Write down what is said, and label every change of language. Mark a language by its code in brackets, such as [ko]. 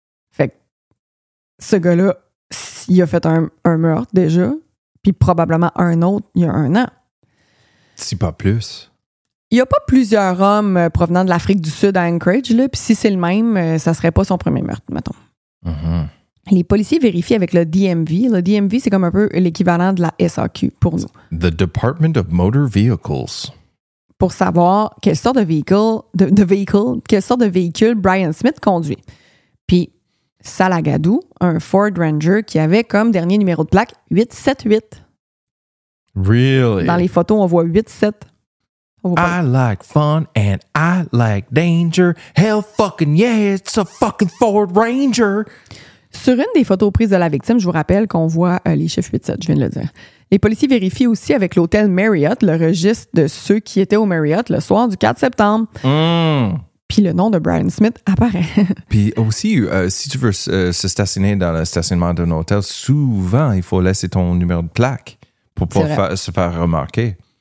[fr] Fait que ce gars-là, il a fait un meurtre déjà, puis probablement un autre il y a un an. Si pas plus. Il n'y a pas plusieurs hommes provenant de l'Afrique du Sud à Anchorage, là, puis si c'est le même, ça serait pas son premier meurtre, mettons. Mm-hmm. Les policiers vérifient avec le DMV. Le DMV, c'est comme un peu l'équivalent de la SAQ pour nous. [en] The Department of Motor Vehicles. [fr] Pour savoir quelle sorte de véhicule, quelle sorte de véhicule Brian Smith conduit. Puis, Salagadou, un Ford Ranger qui avait comme dernier numéro de plaque 878. [en] Really? [fr] Dans les photos, on voit 87. [en] I like fun and I like danger. Hell fucking yeah, it's a fucking Ford Ranger. [fr] Sur une des photos prises de la victime, je vous rappelle qu'on voit les chiffres 87, je viens de le dire. Les policiers vérifient aussi avec l'hôtel Marriott le registre de ceux qui étaient au Marriott le soir du 4 septembre. Mmh. Puis le nom de Brian Smith apparaît. Puis aussi, si tu veux se stationner dans le stationnement d'un hôtel, souvent, il faut laisser ton numéro de plaque pour pouvoir se faire remarquer.